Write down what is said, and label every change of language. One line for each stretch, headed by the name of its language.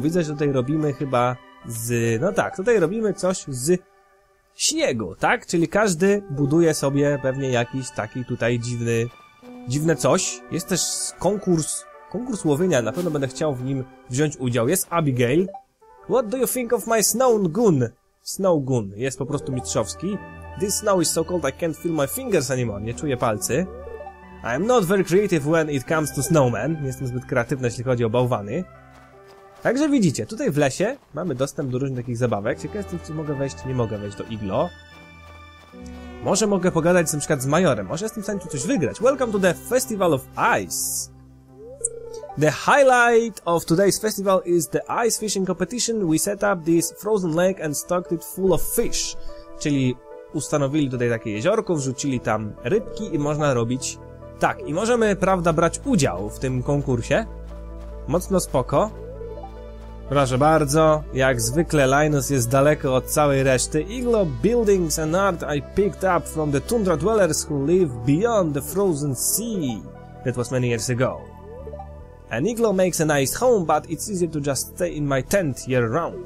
Polish: Widzę, że tutaj robimy chyba z... No tak, tutaj robimy coś z śniegu, tak? Czyli każdy buduje sobie pewnie jakiś taki tutaj dziwne coś. Jest też konkurs łowienia, na pewno będę chciał w nim wziąć udział. Jest Abigail.
English: What do you think of my snow gun?
Polish: Snow gun jest po prostu mistrzowski.
English: This snow is so cold I can't feel my fingers anymore.
Polish: Nie czuję palcy.
English: I'm not very creative when it comes to snowmen.
Polish: Nie jestem zbyt kreatywny, jeśli chodzi o bałwany. Także widzicie, tutaj w lesie mamy dostęp do różnych takich zabawek. Ciekawe jestem, czy mogę wejść, nie mogę wejść do iglo. Może mogę pogadać na przykład z majorem. Może jestem w stanie tu coś wygrać.
English: Welcome to the Festival of Ice. The highlight of today's festival is the ice fishing competition. We set up this frozen lake and stocked it full of fish.
Polish: Czyli ustanowili tutaj takie jeziorko, wrzucili tam rybki i można robić... Tak, i możemy, prawda, brać udział w tym konkursie. Mocno spoko. Proszę bardzo, jak zwykle Linus jest daleko od całej reszty.
English: Iglo buildings and art I picked up from the tundra dwellers who live beyond the frozen sea. That was many years ago. An iglo makes a nice home, but it's easier to just stay in my tent year round.